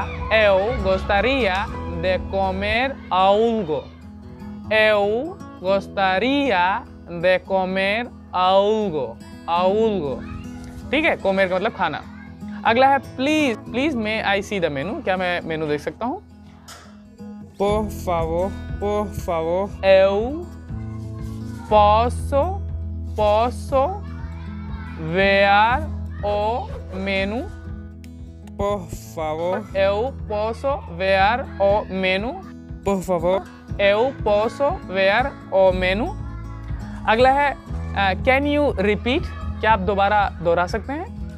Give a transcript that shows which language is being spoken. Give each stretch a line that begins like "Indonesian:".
Portuguese: eu gostaria de comer algo, eu gostaria de comer algo, algo,
Hindi: ठीक है, comer का मतलब खाना. अगला है
English: please, please may I see the menu,
Hindi: क्या मैं मेनू देख सकता हूँ?
Portuguese: Por favor, por favor. Eu posso, posso ver o menu? Por favor. Eu posso ver o menu? Por favor. Eu posso ver o menu?
Hindi: अगला है
English: can you repeat?
Hindi: क्या आप दोबारा दोहरा सकते हैं?